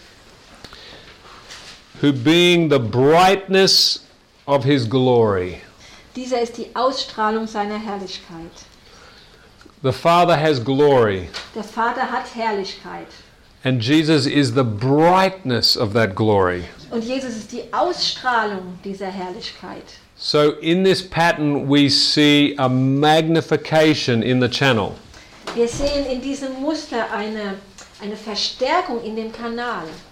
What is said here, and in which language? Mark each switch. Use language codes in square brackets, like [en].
[en] Verse 3. Who being the brightness of his glory. [de] Dieser ist die Ausstrahlung seiner Herrlichkeit. [en] The Father has glory. [de] Der Vater hat Herrlichkeit. [en] And Jesus is the brightness of that glory. [de] Und Jesus ist die Ausstrahlung dieser Herrlichkeit. [en] So in this pattern we see a magnification in the channel. [de] Wir sehen in diesem Muster eine Verstärkung in dem Kanal.